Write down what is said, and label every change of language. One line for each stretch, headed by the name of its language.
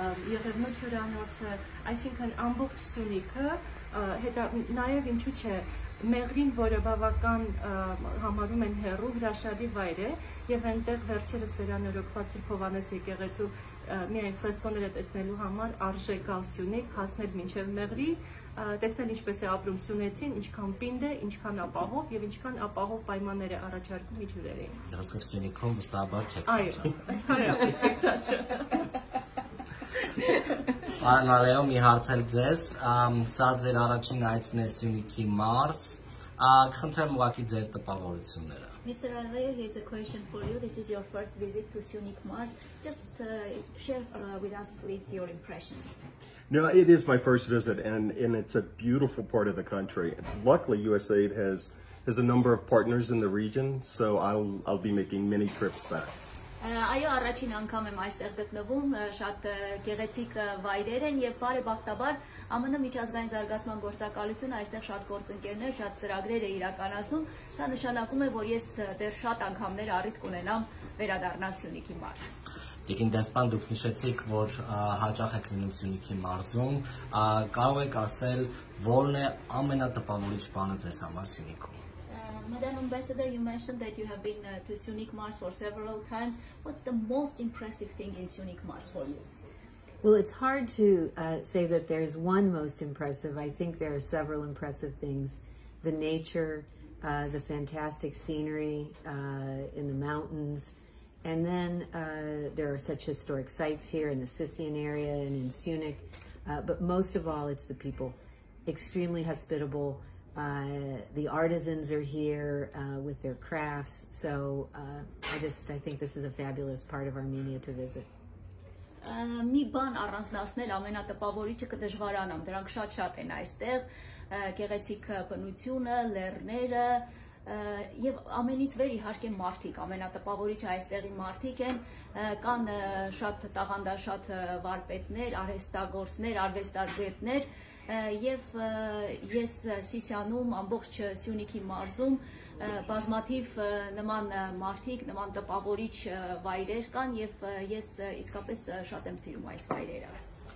Armenian: Երևանի հյուրանոցը, այսինքն ամբողջ Սյունիքը, հետո նաև ինչու՞ չէ, Մեղրին, որը բավական համարում են հերու, հրաշալի վայր է, եւ այնտեղ վերջերս վերանորոգված Հովանես եկեղեցու միայն ֆրեսկոները տեսնելու համար արժե գալ Սյունիք, հասնել մինչև Մեղրի, տեսնել ինչպես է ապրում Սյունեցին, ինչքան պինդ է, ինչքան ապահով եւ ինչքան ապահով պայմաններ է առաջարկում իր հյուրերին։ Հասկացա, Սյունիքում վստահաբար չեք ծածկում։ Այո, Պարոն Ալելոն, մի հարց եմ ձեզ, սա ձեր առաջին այցն է Սյունիքի մարզ, կխնդրեմ ուղղակի ձեր տպավորությունները։
English: Mr. Ալելոն, here's a question for you. This is your first visit to Sunik Mars. Just share with us, please, your impressions. No, it is my first visit, and it's a beautiful part of the country. Luckily, USAID has a number of partners in the region, so I'll be making many trips back.
Armenian: Այո, առաջին անգամ եմ այստեղ գտնվում, շատ գեղեցիկ վայրեր են եւ բարեբախտաբար ԱՄՆ միջազգային զարգացման գործակալությունը այստեղ շատ գործընկերներ, շատ ծրագրեր է իրականացնում, սա նշանակում է, որ ես դեռ շատ անգամներ առիթ կունենամ վերադառնալ Սյունիքի մարզ։ Տիգին դեսպան, դուք նշեցիք, որ հաճախ եք լինում Սյունիքի մարզում, կարող եք ասել, ո՞րն է ամենատպավորիչ բանը ձեզ համար Սյունիքում։
English: Madam Ambassador, you mentioned that you have been to Sunik Mars for several times. What's the most impressive thing in Sunik Mars for you? Well, it's hard to say that there's one most impressive. I think there are several impressive things. The nature, the fantastic scenery in the mountains, and then there are such historic sites here in the Sisian area and in Sunik. But most of all, it's the people. Extremely hospitable. The artisans are here with their crafts. So I think this is a fabulous part of Armenia to visit.
Armenian: Մի բան առանձնացնել, ամենատպավորիչը կդժվարանամ, դրանք շատ-շատ են այստեղ, գեղեցիկ բնությունը, լեռները, եւ ամենից վեր իհարկե մարդիկ, ամենատպավորիչը այստեղի մարդիկ են, կան շատ տաղանդաշատ վարպետներ, արհեստագործներ, արվեստագետներ, եւ ես Սիսիանում, ամբողջ Սյունիքի մարզում բազմաթիվ նման մարդիկ, նման տպավորիչ վայրեր կան եւ ես իսկապես շատ եմ սիրում այս վայրերը։